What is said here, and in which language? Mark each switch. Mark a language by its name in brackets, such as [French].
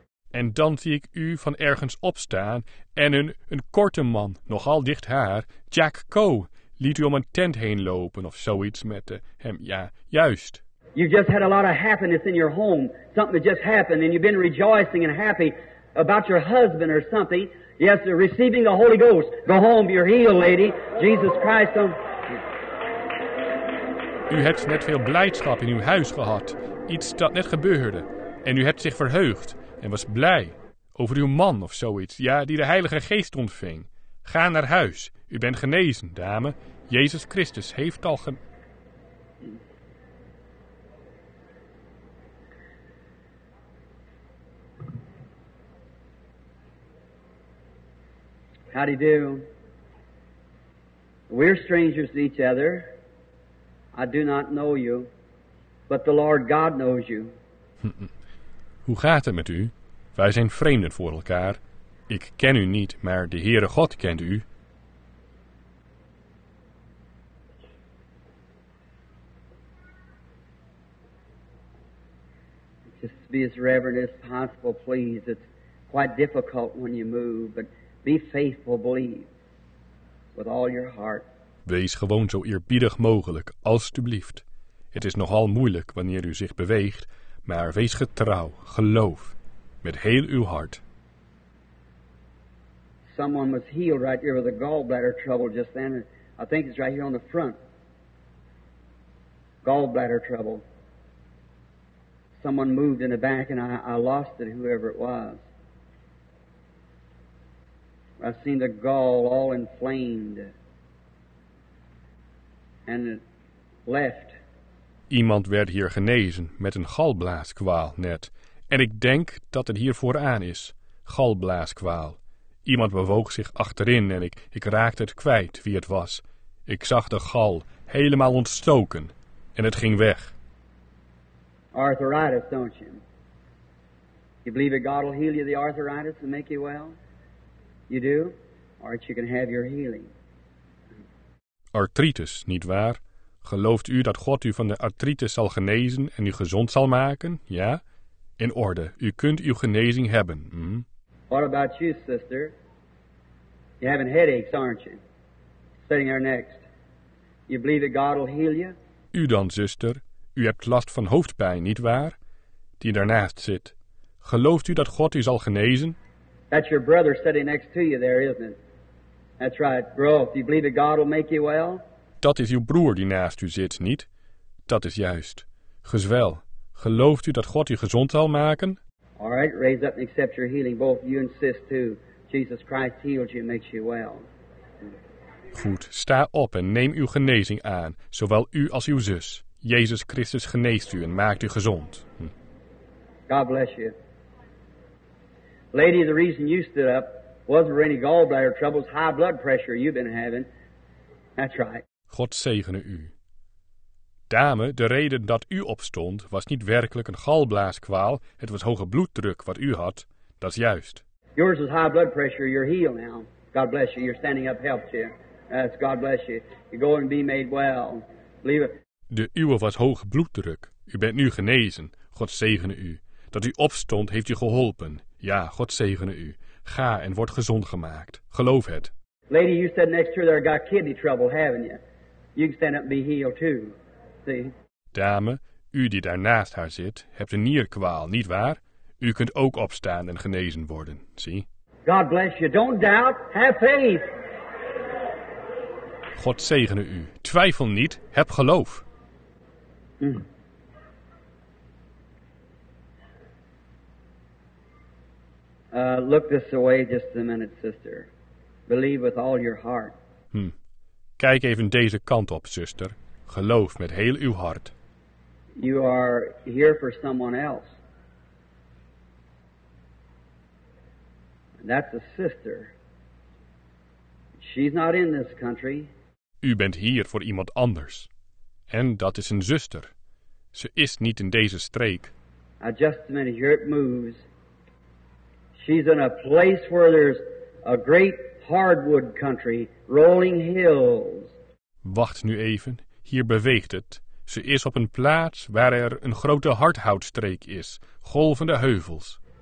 [Dutch] En dan zie ik u van ergens opstaan en een korte man, nogal dicht haar, Jack Coe, liet u om een tent heen lopen of zoiets met hem, ja, juist. [English] You've just had a lot of happiness in your home, something that just happened, and you've been rejoicing and happy about your husband or something, yes, receiving the Holy Ghost. Go home, you're healed, lady. Jesus Christ, don't... [Dutch] U hebt net veel blijdschap in uw huis gehad, iets dat net gebeurde. En u hebt zich verheugd en was blij over uw man of zoiets, ja, die de Heilige Geest ontving. Ga naar huis, u bent genezen, dame. Jezus Christus heeft al ge... [English] How do you do? We're strangers to each other. I do not know you, but the Lord God knows you. [Dutch] Hoe gaat het met u? Wij zijn vreemden voor elkaar. Ik ken u niet, maar de Heere God kent u. [English] Just be as reverent as possible, please. It's quite difficult when you move, but be faithful, believe, with all your heart. [Dutch] Wees gewoon zo eerbiedig mogelijk, alstublieft. Het is nogal moeilijk wanneer u zich beweegt, maar wees getrouw, geloof, met heel uw hart. [English] Someone was healed right here with a gallbladder trouble just then. I think it's right here on the front. Gallbladder trouble. Someone moved in the back and I lost it, whoever it was. I've seen the gall all inflamed. And it left. [Dutch] Iemand werd hier genezen met een galblaaskwaal net. En ik denk dat het hier vooraan is. Galblaaskwaal. Iemand bewoog zich achterin en ik raakte het kwijt wie het was. Ik zag de gal helemaal ontstoken en het ging weg. [English] Arthritis, don't you? You believe that God will heal you the arthritis and make you well? You do? Or that you can have your healing? [Dutch] Arthritis, niet waar? Gelooft u dat God u van de artritis zal genezen en u gezond zal maken? Ja? In orde, u kunt uw genezing hebben. [English] What about you, sister? You're having headaches, aren't you? Sitting there next. You believe that God will heal you? [Dutch] U dan, zuster. U hebt last van hoofdpijn, niet waar? Die daarnaast zit. Gelooft u dat God u zal genezen? [English] That's your brother sitting next to you there, isn't it? That's right. Bro, do you believe that God will make you well? [Dutch] Dat is uw broer die naast u zit, niet? Dat is juist. Gezwel, gelooft u dat God u gezond zal maken? [English] All right, raise up and accept your healing. Both you and sis too. Jesus Christ heals you and makes you well. [Dutch] Goed, sta op en neem uw genezing aan, zowel u als uw zus. Jezus Christus geneest u en maakt u gezond. [English] God bless you. Lady, the reason you stood up wasn't for any gallbladder troubles, high blood pressure you've been having. That's right. [Dutch] God zegene u. Dame, de reden dat u opstond was niet werkelijk een galblaaskwaal, het was hoge bloeddruk wat u had. Dat is juist. [English] Yours is high blood pressure, you're healed now. God bless you, you're standing up helps you. That's God bless you. You go and be made well. Believe it. [Dutch] De uwe was hoge bloeddruk. U bent nu genezen. God zegene u. Dat u opstond heeft u geholpen. Ja, God zegene u. Ga en word gezond gemaakt. Geloof het. [English] Lady, you stood next to her, got kidney trouble, haven't you? You can stand up and be healed too. See? [Dutch] Dame, u die daar naast haar zit, hebt een nierkwaal, niet waar? U kunt ook opstaan en genezen worden. Zie? [English] God bless you. Don't doubt. Have faith. [Dutch] God zegene u. Twijfel niet, heb geloof. [English] Look this away just a minute, sister. Believe with all your heart. [Dutch] Kijk even deze kant op, zuster. Geloof met heel uw hart. [English] You are here for someone else. That's a sister. She's not in this country. [Dutch] U bent hier voor iemand anders. En dat is een zuster. Ze is niet in deze streek. [English] Now just a minute, here it moves. She's in a place where there's a great hardwood country, rolling hills. [Dutch] Wacht nu even, hier beweegt het. Ze is op een plaats waar er een grote hardhoutstreek is, golvende heuvels.